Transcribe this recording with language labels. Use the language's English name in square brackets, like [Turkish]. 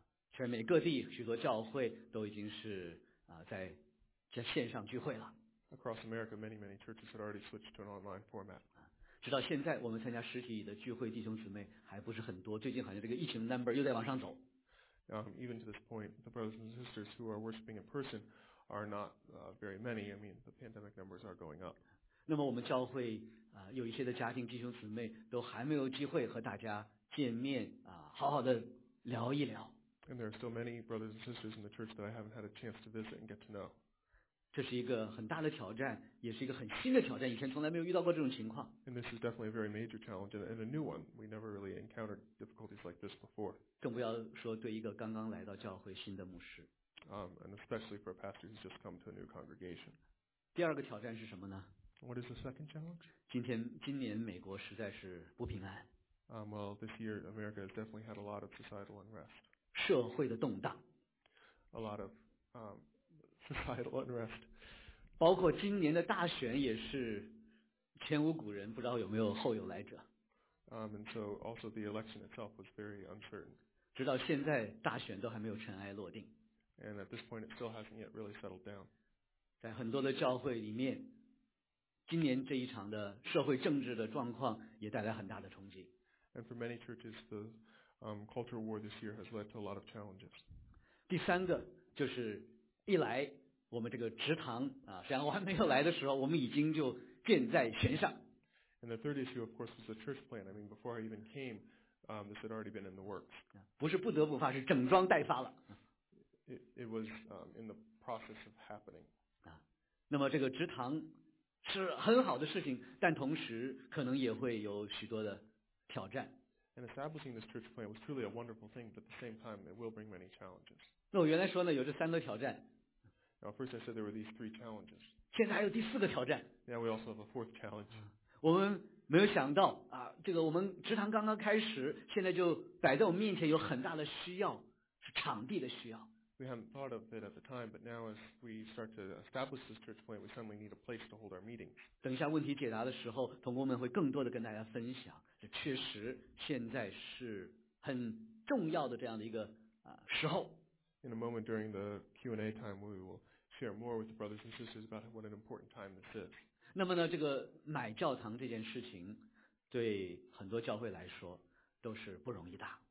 [Chinese] 全美各地许多教会都已经是在线上聚会了。 [English] Across America, many churches had already switched to an online format. [Chinese] 直到现在我们参加实体的聚会弟兄姊妹还不是很多，最近好像这个疫情 number 又在往上走。 [English] Even to this point, the brothers and sisters who are worshiping in person are not very many. I mean, the pandemic numbers are going up. [Chinese] 那么我们教会有一些的家庭弟兄姊妹都还没有机会和大家见面好好的聊一聊。 [English] And there are still many brothers and sisters in the church that I haven't had a chance to visit and get to know. [Chinese] 这是一个很大的挑战，也是一个很新的挑战，以前从来没有遇到过这种情况。 [English] And this is definitely a very major challenge and a new one. We never really encountered difficulties like this before. [Chinese] 更不要说对一个刚刚来到教会新的牧师。 [English] And especially for a pastor who's just come to a new congregation. [Chinese] 第二个挑战是什么呢？ [English] What is the second challenge? [Chinese] 今年美国实在是不平安。 [English] Well, this year America has definitely had a lot of societal unrest. [Chinese] 社会的动荡。 [English] A lot of societal unrest. [Chinese] 包括今年的大选也是前无古人，不知道有没有后有来者。 [English] And so also the election itself was very uncertain. [Chinese] 直到现在大选都还没有尘埃落定。 [English] And at this point it still hasn't yet really settled down. [Chinese] 在很多的教会里面，今年这一场的社会政治的状况也带来很大的冲击。 [English] And for many churches, the culture war this year has led to a lot of challenges. [Chinese] 第三个就是一来我们这个职堂实际上我还没有来的时候，我们已经就箭在弦上。 [English] And the third issue, of course, is the church plan. I mean, before I even came, this had already been in the works. [Chinese] 不是不得不发，是整装待发了。 [English] It was in the process of happening. [Chinese] 那么这个职堂是很好的事情，但同时可能也会有许多的挑战。 [English] And establishing this church plan was truly a wonderful thing, but at the same time, it will bring many challenges. [Chinese] 那我原来说呢，有这三个挑战。 [English] Now, first I said there were these three challenges. [Chinese] 现在还有第四个挑战。 [English] Now we also have a fourth challenge. [Chinese] 我们没有想到这个我们职堂刚刚开始，现在就摆在我们面前有很大的需要，是场地的需要。 [English] We hadn't thought of it at the time, but now as we start to establish this church plan, we suddenly need a place to hold our meetings. [Chinese] 等一下问题解答的时候，同工们会更多的跟大家分享。这确实现在是很重要的这样的一个时候。 [English] In a moment during the Q&A time, we will share more with the brothers and sisters about what an important time this is. [Chinese] 那么呢，这个买教堂这件事情，对很多教会来说都是不容易的。